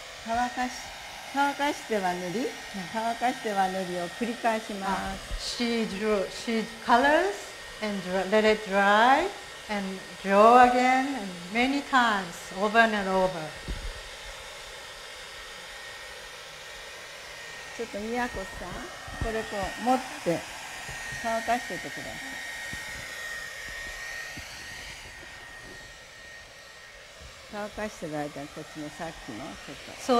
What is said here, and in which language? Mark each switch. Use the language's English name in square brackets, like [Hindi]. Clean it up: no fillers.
[Japanese] 乾かしては塗り、乾かしては塗りを繰り返します。 [English] She colors and let it dry and draw again and many times over and over. [Japanese] ちょっと宮古さん、これこう持って乾かしててください。乾かしてる間、こっちのさっきのちょっと。